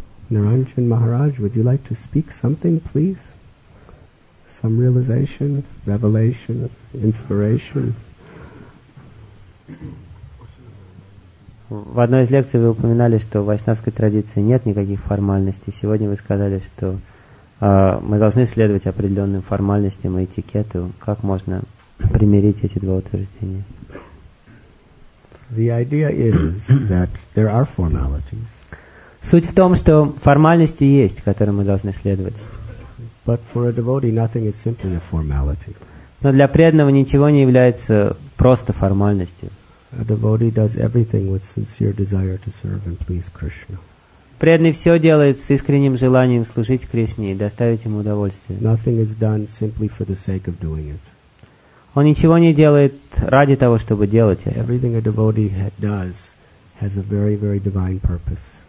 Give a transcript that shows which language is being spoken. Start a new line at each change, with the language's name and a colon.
English: Niranjan Maharaj, would you like to speak something, please? Some realization, revelation, inspiration.
Russian: В одной из лекций вы упоминали, что в вайшнавской традиции нет никаких формальностей. Сегодня вы сказали, что мы должны следовать определенным формальностям и этикету. Как можно примирить эти два утверждения?
English: The idea is that there are formalities.
Russian: Суть в том, что формальности есть, которым мы должны следовать.
English: But for a devotee, nothing is simply a formality.
Russian: Но для преданного ничего не является просто формальностью.
English: A devotee does everything with sincere desire to serve and please Krishna.
Russian: Преданный все делает с искренним желанием служить Кришне и доставить ему удовольствие.
English: Nothing is done simply for the sake of doing it.
Russian: Он ничего не делает ради того, чтобы делать это.
English: Everything a devotee does has a very, very divine purpose.